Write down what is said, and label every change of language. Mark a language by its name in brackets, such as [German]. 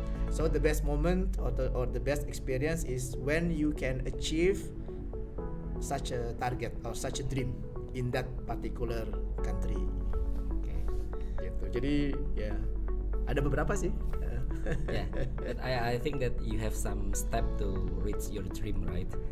[English] So the best moment or the best experience is when you can achieve such a target or such a dream in that particular country. Okay. Gitu. [Indonesian] Jadi ya ada beberapa sih. [English] Yeah, but I think that you have some step to reach your dream, right?